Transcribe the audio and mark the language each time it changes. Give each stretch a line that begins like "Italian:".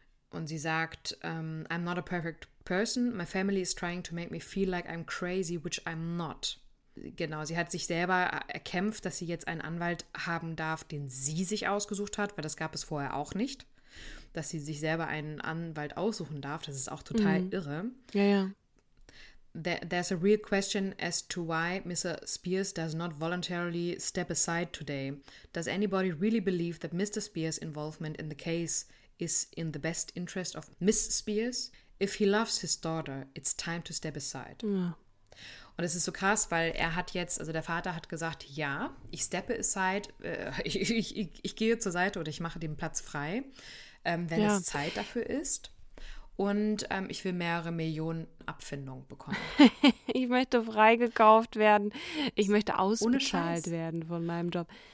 German: Und sie sagt,
English: I'm not a perfect person, my family is trying to make me feel like I'm crazy, which I'm not.
German: Genau, sie hat sich selber erkämpft, dass sie jetzt einen Anwalt haben darf, den sie sich ausgesucht hat, weil das gab es vorher auch nicht, dass sie sich selber einen Anwalt aussuchen darf. Das ist auch total irre. Ja, ja.
English: There's a real question as to why Mr. Spears does not voluntarily step aside today. Does anybody really believe that Mr. Spears' involvement in the case is in the best interest of Miss Spears? If he loves his daughter, it's time to step aside.
German: Ja. Und es ist so krass, weil er hat jetzt, also der Vater hat gesagt, ja, ich steppe aside, ich gehe zur Seite oder ich mache den Platz frei, wenn es Zeit dafür ist. Und ich will mehrere Millionen Abfindung bekommen. Ich möchte freigekauft werden. Ich möchte ausbezahlt werden von meinem Job.